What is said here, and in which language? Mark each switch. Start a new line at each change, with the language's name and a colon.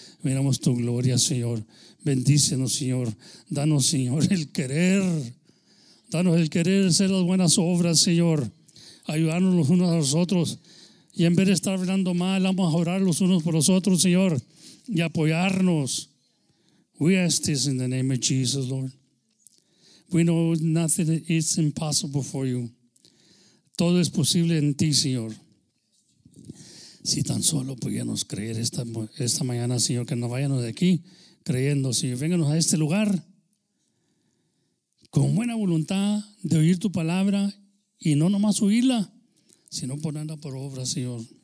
Spanish: Miramos tu gloria, Señor. Bendícenos, Señor. Danos, Señor, el querer. Danos el querer hacer las buenas obras, Señor. Ayudarnos los unos a los otros. Y en vez de estar hablando mal, vamos a orar los unos por los otros, Señor. Y apoyarnos.
English: We ask this in the name of Jesus, Lord. We know nothing is impossible for you.
Spanish: Todo es posible en ti, Señor. Si tan solo pudiéramos creer esta mañana, Señor, que no vayamos de aquí creyendo, Señor. Vénganos a este lugar con buena voluntad de oír tu palabra y no nomás oírla, sino ponerla por obra, Señor.